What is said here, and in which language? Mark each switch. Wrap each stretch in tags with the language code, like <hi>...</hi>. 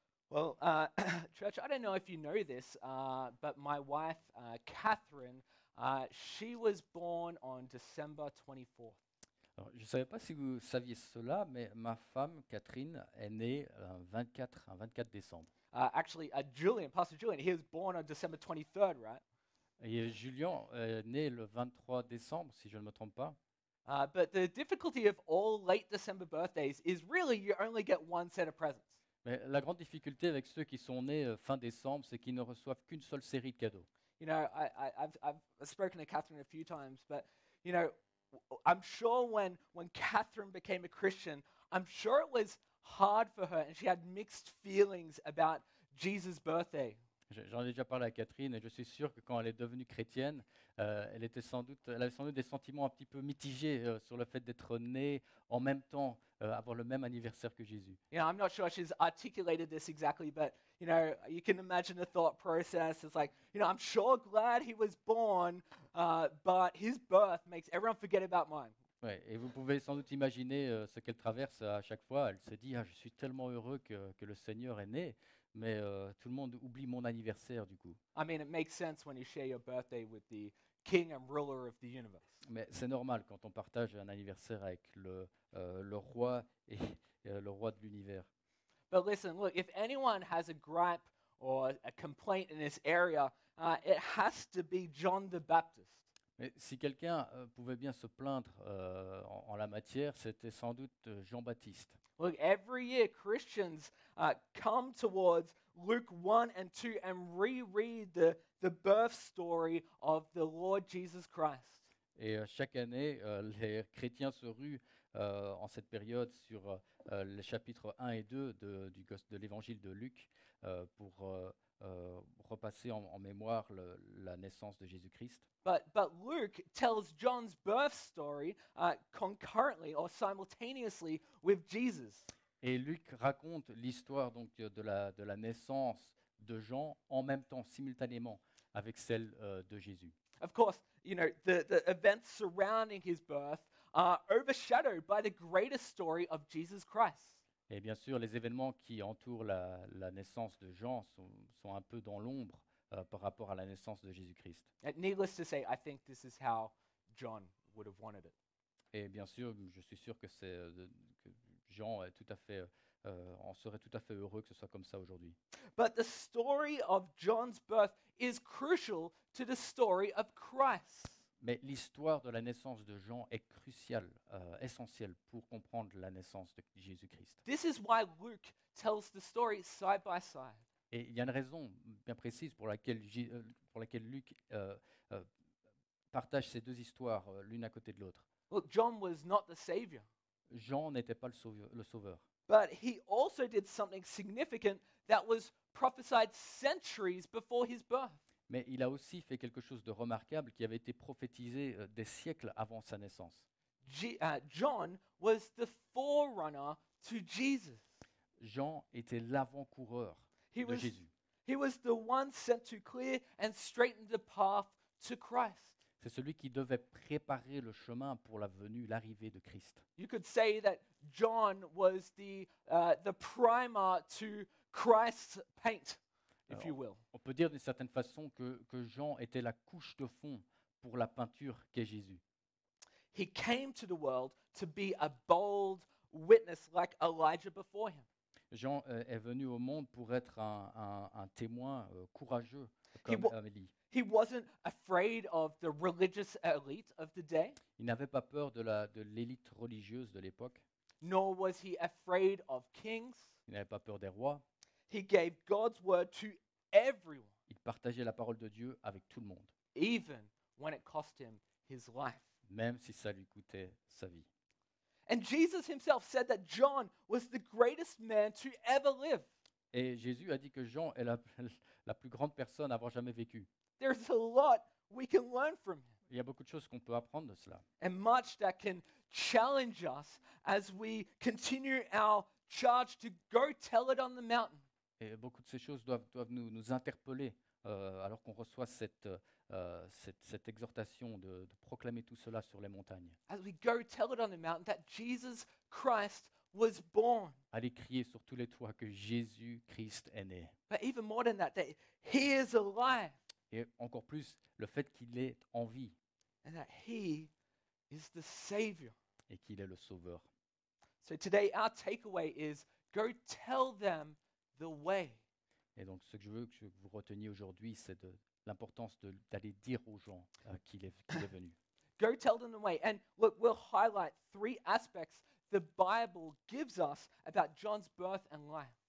<en>Well, church, I don't know if you know this, but my wife, Catherine, she was born on December 24th.</en> <fr>Alors, je ne savais pas si vous saviez cela, mais ma femme, Catherine, est née un 24 décembre.</fr> <en>Actually, Julian, Pastor Julian, he was born on December 23rd, right?</en> <fr>Et Julian est né le 23 décembre, si je ne me trompe pas.</fr> <en>But the difficulty of all late December birthdays is really you only get one set of presents.</en> <fr>Mais la grande difficulté avec ceux qui sont nés fin décembre, c'est qu'ils ne reçoivent qu'une seule série de cadeaux.</fr> <en>You know, I've spoken to Catherine a few times, but you know, I'm sure when Catherine became a Christian, I'm sure it was hard for her and she had mixed feelings about Jesus' birthday.</en> <fr>J'en ai déjà parlé à Catherine et je suis sûr que quand elle est devenue chrétienne, elle avait sans doute des sentiments un petit peu mitigés sur le fait d'être née en même temps, avoir le même anniversaire que Jésus.</fr> <en>Yeah, I'm not sure she's articulated this exactly, but you know, you can imagine the thought process. It's like, you know, I'm sure glad he was born, but his birth makes everyone forget about mine.</en> <fr>Ouais, et vous pouvez sans doute imaginer ce qu'elle traverse à chaque fois. Elle se dit, ah, je suis tellement heureux que le Seigneur est né. Mais tout le monde oublie mon anniversaire, du coup.</fr> <en>I mean, it makes sense when you share your birthday with the king and ruler of the universe.</en> <fr>Mais c'est normal quand on partage un anniversaire avec le roi et le roi de l'univers.</fr> <en>But listen, look, if anyone has a gripe or a complaint in this area, it has to be John the Baptist.</en> <fr>Mais si quelqu'un pouvait bien se plaindre en la matière, c'était sans doute Jean-Baptiste.</fr> <en>Look, every year Christians come towards Luke 1 and 2 and reread the birth story of the Lord Jesus Christ.</en> <fr>Et chaque année, les chrétiens se ruent en cette période sur les chapitres 1 et 2 de l'évangile de Luc pour repasser en mémoire la naissance de Jésus-Christ.</fr> <en>But Luke tells John's birth story concurrently or simultaneously with Jesus.</en> <fr>Et Luc raconte l'histoire donc de la naissance de Jean en même temps, simultanément avec celle de Jésus.</fr> <en>Of course, you know, the events surrounding his birth are overshadowed by the greatest story of Jesus Christ.</en> <fr>Et bien sûr, les événements qui entourent la naissance de Jean sont un peu dans l'ombre par rapport à la naissance de Jésus-Christ.</fr> <en>Needless to say, I think this is how John would have wanted it.</en> <fr>Et bien sûr, je suis sûr que c'est que Jean est tout à fait en serait tout à fait heureux que ce soit comme ça aujourd'hui.</fr> <en>But the story of John's birth is crucial to the story of Christ.</en> <fr>Mais l'histoire de la naissance de Jean est cruciale, essentielle pour comprendre la naissance de Jésus-Christ.</fr> <en>This is why Luke tells the story side by side.</en> <fr>Et il y a une raison bien précise pour laquelle Luc partage ces deux histoires l'une à côté de l'autre.</fr> <en>Look, John was not the savior.</en> <fr>Jean n'était pas le sauveur.</fr> <en>But he also did something significant that was prophesied centuries before his birth.</en> <fr>Mais il a aussi fait quelque chose de remarquable qui avait été prophétisé des siècles avant sa naissance.</fr> <en>John was the forerunner to Jesus.</en> <fr>Jean était l'avant-coureur de Jésus.</fr> <en>He was the one sent to clear and straighten the path to Christ.</en> <fr>C'est celui qui devait préparer le chemin pour la venue, l'arrivée de Christ.</fr> <en>You could say that John was the primer to Christ's paint.</en> <fr>On peut dire d'une certaine façon que Jean était la couche de fond pour la peinture qu'est Jésus.</fr> <en>He came to the world to be a bold witness like Elijah before him.</en> <fr>Jean est venu au monde pour être un témoin courageux comme Élie.</fr> <en>He wasn't afraid of the religious elite of the day.</en> <fr>Il n'avait pas peur de l'élite religieuse de l'époque.</fr> <en>Nor was he afraid of kings.</en> <fr>Il n'avait pas peur des rois.</fr> <en>He gave God's word to everyone.</en> <fr>Il partageait la parole de Dieu avec tout le monde.</fr> <en>Even when it cost him his life.</en> <fr>Même si ça lui coûtait sa vie.</fr> <en>And Jesus himself said that John was the greatest man to ever live.</en> <fr>Et Jésus a dit que Jean est la plus grande personne à avoir jamais vécu.</fr> <en>There's a lot we can learn from him.</en> <fr>Il y a beaucoup de choses qu'on peut apprendre de cela.</fr> <en>And much that can challenge us as we continue our charge to go tell it on the mountain.</en> <fr>Et beaucoup de ces choses doivent nous interpeller alors qu'on reçoit cette exhortation de proclamer tout cela sur les montagnes.</fr> <en>As we go tell it on the mountain that Jesus Christ was born.</en> <fr>Allez crier sur tous les toits que Jésus Christ est né.</fr> <en>But even more than that, that he is alive.</en> <fr>Et encore plus le fait qu'il est en vie.</fr> <en>And that he is the savior.</en> <fr>Et qu'il est le sauveur.</fr> <en>So today our takeaway is go tell them the way.</en> <fr>Et donc ce que je veux que vous reteniez aujourd'hui, c'est de l'importance d'aller dire aux gens qu'il est venu.</fr> <en>Go tell them the way. And look, we'll highlight three aspects the Bible gives us about John's birth and life.</en>